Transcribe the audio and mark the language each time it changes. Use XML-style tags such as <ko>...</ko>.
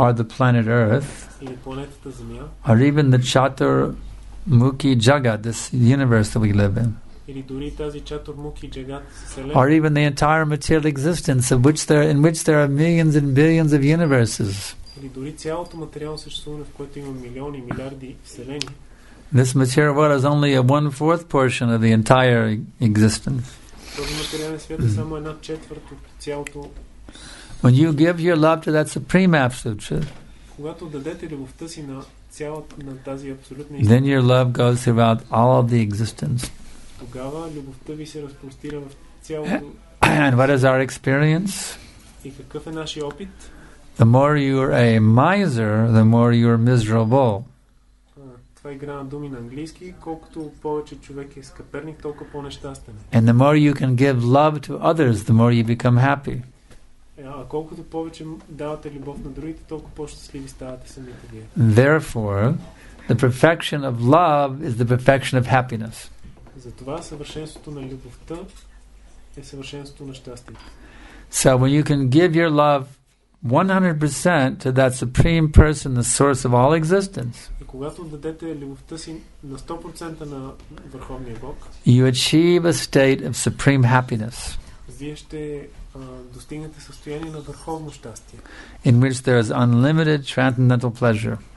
<en>Or the planet Earth.</en> <bg>Или планетата Земя.</bg> <en>Or even the Chatur Muki Jagat, this universe that we live in.</en> <bg>Или дори тази Чатур Муки Джагат вселената.</bg> <en>Or even the entire material existence of which there in which there are millions and billions of universes.</en> <bg>Или дори цялото материално съществуване, в което има милиони, милиарди вселени.</bg> <en>This material world is only a 1/4 portion of the entire existence.</en> <bg>Този материален свят е само една четвърт от цялото.</bg> <en>When you give your love to that supreme absolute truth.</en> <bg>Когато дадете любовта си на тази абсолютна истина.</bg> <en>Then your love goes throughout all of the existence.</en> <bg>Тогава любовта ви се разпростира в цялото.</bg> <en>And what is our experience?</en> <bg>И какъв е нашия опит?</bg> <en>The more you are a miser, the more you are miserable.</en> <bg>Това е игра на думи на английски. Колкото повече човек е скъперник, толкова по-нещастен.</bg> <en>And the more you can give love to others, the more you become happy.</en> <bg>А колкото повече давате любов на другите, толкова по-щастливи ставате самите вие.</bg> <en>Therefore, the perfection of love is the perfection of happiness.</en> <bg>Затова съвършенството на любовта е съвършенството на щастието.</bg> <en>So when you can give your love 100% to that supreme person, the source of all existence.</en> <bg>И когато дадете любовта си на 100% на върховния Бог,</bg> <en>you achieve a state of supreme happiness.</en> <bg>вие ще достигнете състояние на върховно щастие.</bg> <en>In which there is unlimited transcendental pleasure.</en>